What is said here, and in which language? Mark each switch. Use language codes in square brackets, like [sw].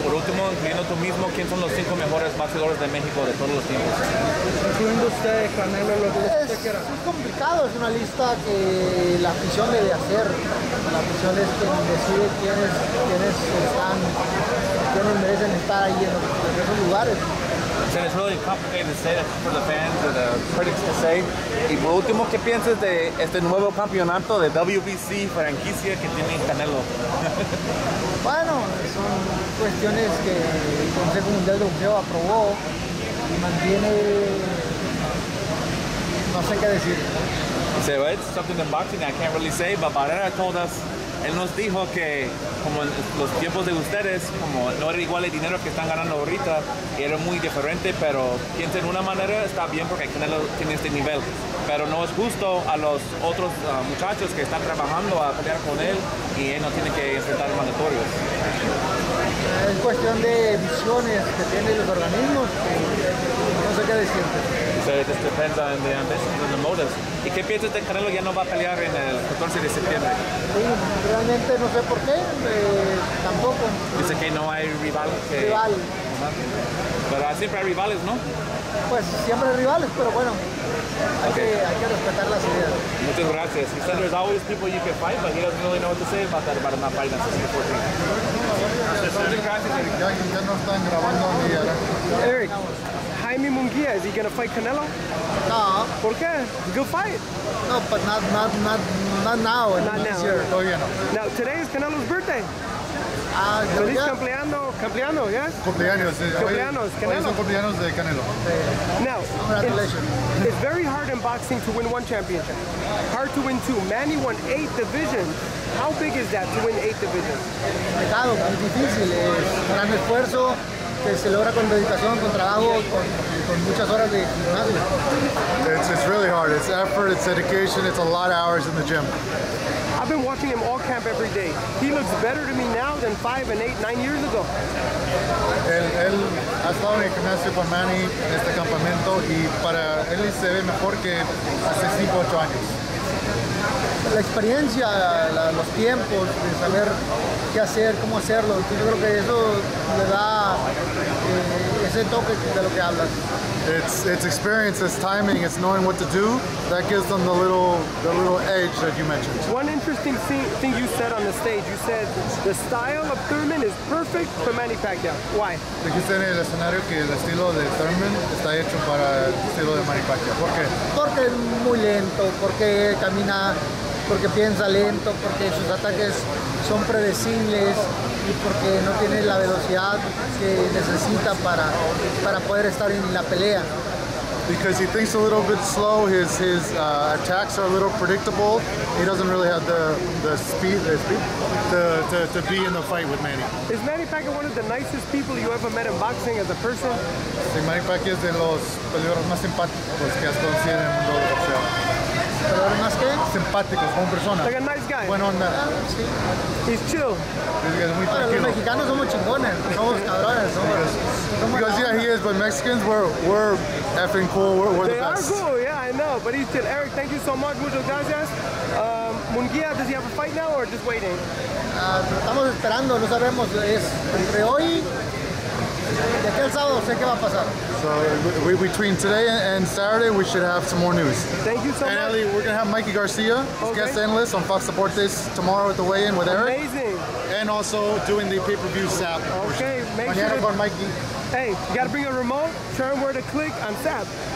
[es] Por último, incluyendo tú mismo, ¿quién son los cinco mejores boxeadores de México de todos los tiempos? Incluyendo usted, Canelo, lo que usted quiera. Es complicado, es una lista que la afición debe hacer. La afición es quien decide quiénes están, quiénes merecen estar ahí en esos lugares. [en] So it's really complicated to say that for the fans or the critics to say. [es] Y por último, ¿qué piensas de este nuevo campeonato de WBC franquicia que tiene Canelo? Bueno, son cuestiones que el Consejo Mundial de Boxeo aprobó y mantiene... no sé qué decir. [en] He said, well, it's something in boxing I can't really say, but Barrera told us, [es] él nos dijo que como en los tiempos de ustedes, como no era igual el dinero que están ganando ahorita, era muy diferente, pero piensen de una manera, está bien porque Canelo tiene este nivel, pero no es justo a los otros muchachos que están trabajando a pelear con él y él no tiene que enfrentar mandatorios. Es cuestión de visiones que tienen los organismos, no sé qué decirte. [en] So it just depends on the ambitions and the motives. [es] ¿Y qué piensas de Canelo? Ya no va a pelear en el 14 de septiembre. Sí, realmente no sé por qué, tampoco. Dice que no hay rival. Rival. Pero siempre hay rivales, ¿no? Pues siempre hay rivales, pero bueno, hay que respetar las ideas. Muchas gracias. [en] He said there's always people you can fight, but he doesn't really know what to say about that, about my fight, that's the 14. [es] Muchas gracias, Eric. Ya no están grabando ni ahora. [en] Eric. Jaime Munguia, is he gonna fight Canelo? No. [es] ¿Por qué? [en] Good fight. No, but not now. Not now. Now, today is Canelo's birthday. [es] Feliz cumpleaños, cumpleaños, yes? Cumpleaños, Canelo. Cumpleaños de Canelo. [en] Now, congratulations. It's very hard in boxing to win one championship. Hard to win two. Manny won eight divisions. How big is that to win eight divisions? [es] Complicado, muy difícil. Gran esfuerzo. se logra con dedicación, con trabajo, con muchas horas de gimnasio. [en] It's really hard. It's effort, it's dedication, it's a lot of hours in the gym. I've been watching him all camp every day. He looks better to me now than 5 and 8, 9 years ago. [es] Él ha estado en el gimnasio con Manny en este campamento y para él se ve mejor que hace 5 o 8 años. La experiencia, los tiempos, de saber qué hacer, cómo hacerlo, yo creo que eso le da ese toque de lo que hablas. It's experience, it's timing, it's knowing what to do. That gives them the little edge that you mentioned. [en] One interesting thing you said on the stage, you said the style of Thurman is perfect for Manny Pacquiao. Why? [es] Dijiste en el escenario que el estilo de Thurman está hecho para el estilo de Manny Pacquiao. ¿Por qué? Porque es muy lento, porque camina, porque piensa lento, porque sus ataques son predecibles y porque no tiene la velocidad que necesita para poder estar en la pelea. [en] Because he thinks a little bit slow, his attacks are a little predictable. He doesn't really have the speed to be in the fight with Manny. Is Manny Pacquiao one of the nicest people you ever met in boxing as a person? [es] Sí, Manny Pacquiao es de los peleadores más simpáticos que has conocido en el mundo del boxeo. Simpáticos, como persona. [en] Like a nice guy. [es] Bueno, anda. [en] Sí. He's chill. [es] Es muy tranquilo. Los mexicanos somos chingones. Somos cabrones. [en] Because yeah, he is, but Mexicans, we're effing cool. We're the best. They are cool, yeah, I know. But he's chill. Erik, thank you so much. [es] Muchas gracias. [en] Munguía, does he have a fight now or just waiting? [es] Estamos esperando, no sabemos. Es entre hoy y aquí el sábado, sé qué va a pasar. [en] So between today and Saturday, we should have some more news. Thank you so much. And Ellie, we're going to have Mikey Garcia, guest analyst on Fox Deportes tomorrow with the weigh-in with Erik. Amazing. And also doing the pay-per-view SAP. Okay, make sure. On Mikey. Hey, you got to bring a remote, turn where to click on SAP.